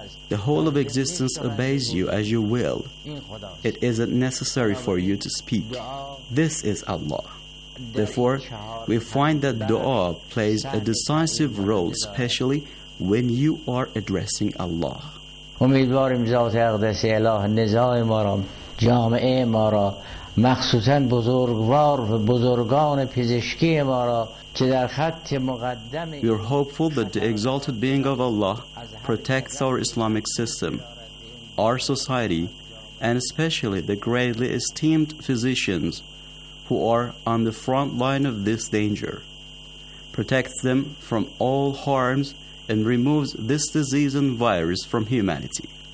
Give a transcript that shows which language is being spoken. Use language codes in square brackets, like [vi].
[en] The whole of existence obeys you as you will. It isn't necessary for you to speak. This is Allah. Therefore, we find that dua plays a decisive role, especially when you are addressing Allah. [fa] امیدواریم ذات اقدس اله نزاع ما را جامعه ما را مخصوصا بزرگوار و بزرگان پزشکی ما را که در خط مقدم [en] We are hopeful that the exalted being of Allah protects our Islamic system, our society, and especially the greatly esteemed physicians who are on the front line of this danger, protects them from all harms and removes this disease and virus from humanity.